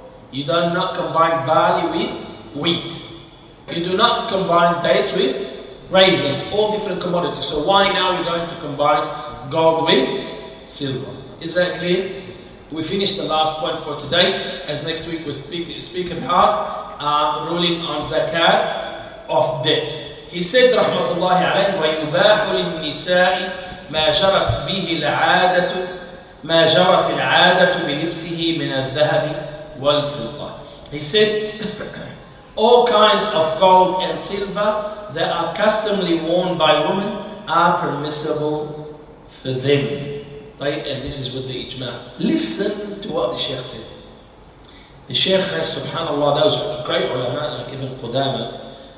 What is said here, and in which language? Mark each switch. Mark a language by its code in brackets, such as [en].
[en] You do not combine barley with wheat. You do not combine dates with raisins. All different commodities. So why now you're going to combine gold with silver? Is that clear? We finished the last point for today. As next week we speak about ruling on zakat of debt. He said, [ar] rahmatullahi alayhi, وَيُبَاحُ لِلنِّسَاءِ مَا جَرَتْ بِهِ الْعَادَةُ مَا جَرَتْ الْعَادَةُ بِلِبْسِهِ مِنَ الذَّهَبِ وَالْفِلْطَةِ. [en] He said, all kinds of gold and silver that are customly worn by women are permissible for them. Right? And this is with the ijma'. Listen to what the Shaykh said. The Shaykh, subhanAllah, those great ulama like Ibn Qudama.